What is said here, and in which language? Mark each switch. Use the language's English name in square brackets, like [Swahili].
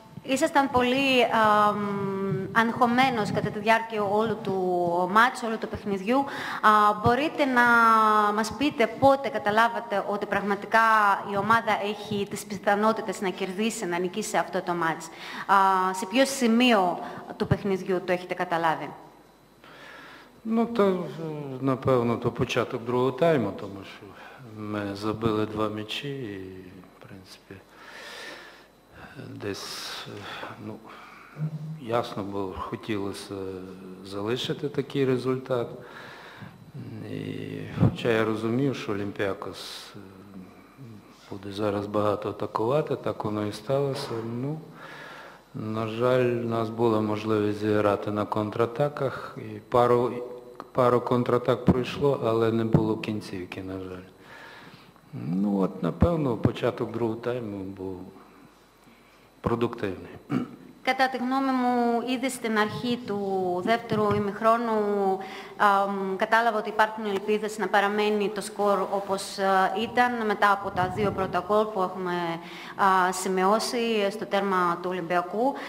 [Greek] Ήσασταν πολύ αγχωμένος κατά τη διάρκεια όλου του μάτσου, όλου του παιχνιδιού. Μπορείτε να μας πείτε πότε καταλάβατε ότι πραγματικά η ομάδα έχει τις πιθανότητες να κερδίσει, να νικήσει αυτό το μάτς. Σε ποιο σημείο του παιχνιδιού το έχετε καταλάβει? [Ukrainian] Ну, то, напевно, то початок другого тайму, тому що ми забили два м'ячі і, в принципі, десь, ну, ясно було, хотілося залишити такий результат. І, хоча я розумів, що Олімпіакос буде зараз багато атакувати, так воно і сталося, ну, на жаль, у нас була можливість зіграти на контратаках, і пару контратак пройшло, але не було кінцівки, на жаль. Ну от, напевно, початок другого тайму був продуктивний. [Greek] Κατά τη γνώμη μου, ήδη στην αρχή του δεύτερου ημιχρόνου κατάλαβα ότι υπάρχουν ελπίδες να παραμένει το σκορ όπως ήταν μετά από τα δύο πρώτα γκολ που έχουμε σημειώσει στο τέρμα του Ολυμπιακού.